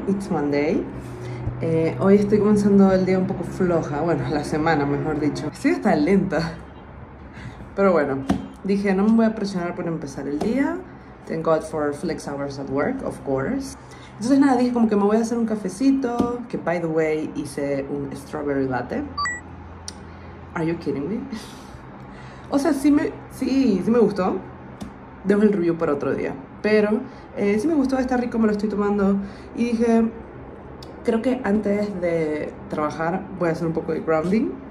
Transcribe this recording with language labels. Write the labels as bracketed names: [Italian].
[Spanish] Monday. Hoy estoy comenzando el día un poco floja, bueno, la semana mejor dicho. Estoy hasta lenta, pero bueno, dije no me voy a presionar por empezar el día. [English] Thank God for flex hours at work, of course. [Spanish] Entonces nada, dije como que me voy a hacer un cafecito, que [English] by the way [Spanish] hice un strawberry latte. [English] Are you kidding me? [Spanish] O sea, sí me gustó. Dejo el review para otro día. Pero sí me gustó, está rico, me lo estoy tomando. Y dije, creo que antes de trabajar voy a hacer un poco de grounding.